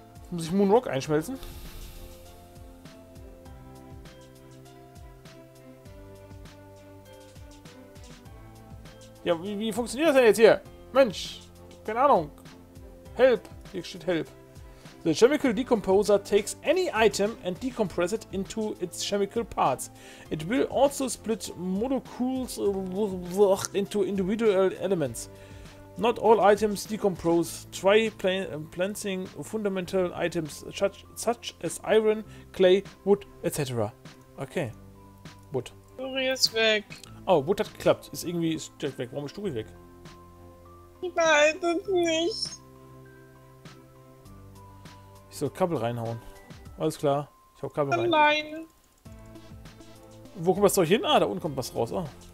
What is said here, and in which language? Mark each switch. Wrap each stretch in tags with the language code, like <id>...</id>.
<de>Muss ich Moonrock einschmelzen? Ja, wie funktioniert das denn jetzt hier? Mensch, keine Ahnung. Help, hier steht Help.</de> <en>The chemical decomposer takes any item and decompress it into its chemical parts. It will also split molecules into individual elements. Not all items decompose. Try placing fundamental items such as iron, clay, wood, etc. Okay. Wood.</en> <de>Sturi ist weg. Oh, Wood hat geklappt. Ist irgendwie direkt weg. Warum ist Sturi weg? Ich weiß es nicht. Ich soll Kabel reinhauen. Alles klar. Ich hau Kabel rein. Nein. Wo kommt das Zeug hin? Ah, da unten kommt was raus. Oh.</de>